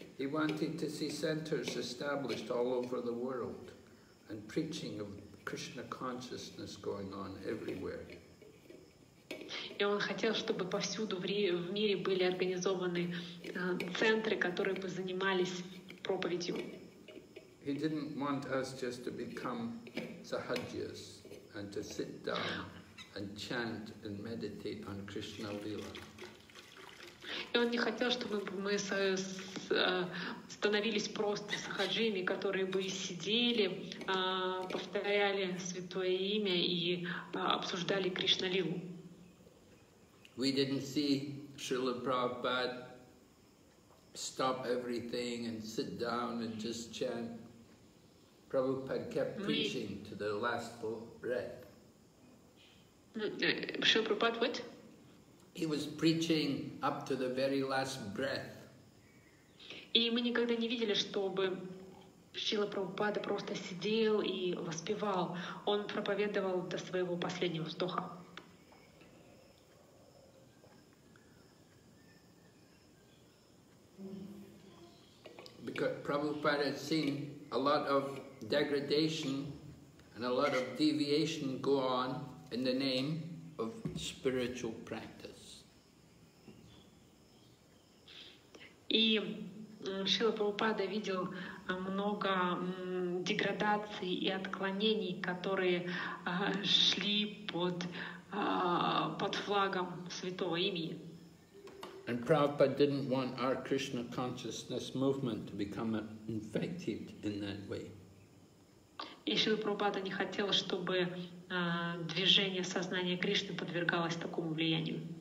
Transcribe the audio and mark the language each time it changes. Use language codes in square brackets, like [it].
[en] He wanted to see centers established all over the world and preaching of Krishna consciousness going on everywhere. [ru] И он хотел, чтобы повсюду в мире были организованы центры, которые бы занимались проповедью. [en] He didn't want us just to become sahajyas and to sit down and chant and meditate on Krishna Lila. [ru] И он не хотел, чтобы мы становились просто сахаджиями, которые бы сидели, повторяли святое имя и обсуждали Кришна Лилу. [en] We didn't see Srila Prabhupada stop everything and sit down and just chant. Prabhupada kept preaching to the last breath. Srila Prabhupada what? He was preaching up to the very last breath. [ru] И мы никогда не видели, чтобы Шрила Прабхупада просто сидел и воспевал. Он проповедовал до своего последнего вздоха. [en] Because Prabhupada had seen a lot of degradation and a lot of deviation go on in the name of spiritual practice. [ru] И Шрила Прабхупада видел много деградаций и отклонений, которые шли под под флагом святого имени. [en] And Prabhupada didn't want our Krishna consciousness movement to become infected in that way. [ru] И Шрила Прабхупада не хотел, чтобы движение сознания Кришны подвергалось такому влиянию.